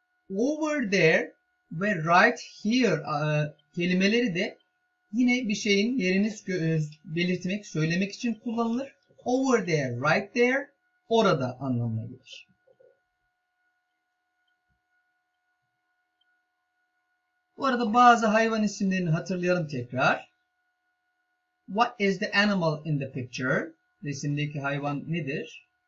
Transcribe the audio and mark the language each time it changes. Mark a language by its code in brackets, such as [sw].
[tr] Over there ve right here kelimeleri de yine bir şeyin yerini belirtmek, söylemek için kullanılır. Over there, right there, orada anlamına gelir. Bu arada bazı hayvan isimlerini hatırlayalım tekrar. [en] What is the animal in the picture? [tr] Resimdeki hayvan nedir?